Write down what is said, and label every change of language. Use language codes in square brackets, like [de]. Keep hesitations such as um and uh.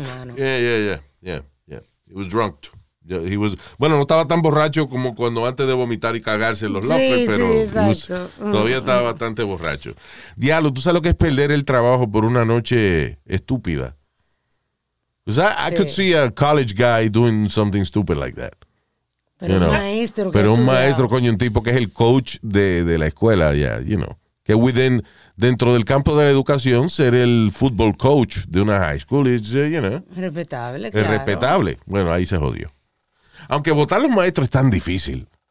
[es] mano. [en] Yeah, yeah, yeah, yeah, yeah. He was drunk. too. Yeah, he was, [es] bueno, no estaba tan borracho como cuando antes de vomitar y cagarse en los Sí, lockers, sí, pero [en] he was- [es] exacto. todavía estaba bastante borracho. Diablo, ¿tú sabes lo que es perder el trabajo por una noche estúpida? [en] 'Cause I, I [es] Sí. [en] could see a college guy doing something stupid like that. [es] Pero [en] you know. [es] un maestro. que Pero un estudia- maestro, coño, un tipo que es el coach de, de la escuela, ya, [en] you know. [es] Que [en] within, [es] dentro del campo de la educación, ser el football coach de una high school [en] is, uh, you know, [es] Respetable, es claro. respetable. Bueno, ahí se jodió. Aunque votar a un maestro es tan difícil.